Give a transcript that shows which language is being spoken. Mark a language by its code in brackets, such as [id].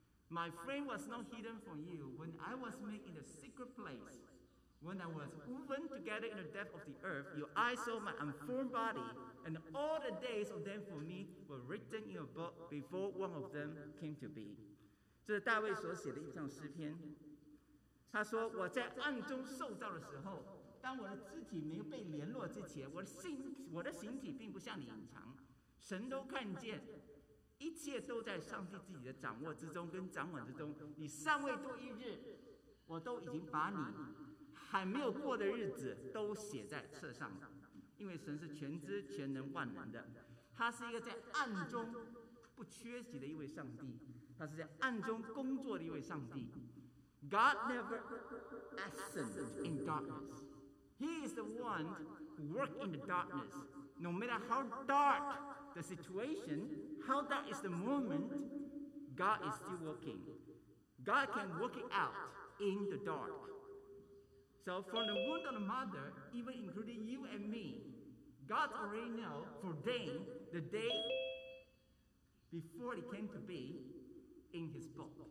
[en] My frame was not hidden from you when I was made in a secret place. When I was woven together in the depth of the earth, your eyes saw my unformed body, and all the days of them for me were written in your book before one of them came to be. [zh] 这是大卫所写的一首诗篇。他说，我在暗中受造的时候，当我的肢体没有被联络之前，我的形体并不向你隐藏，神都看见，一切都在上帝自己的掌握之中跟掌管之中。你尚未多一日，我都已经把你还没有过的日子都写在册上了。因为神是全知全能万能的，他是一个在暗中不缺席的一位上帝，他是在暗中工作的一位上帝。 [en] God never absent in darkness. He is the one who works in the darkness. No matter how dark the situation, how dark is the moment, God is still working. God can work it out in the dark. So from the womb of the mother, even including you and me, God already knows for them the day before it came to be in his book.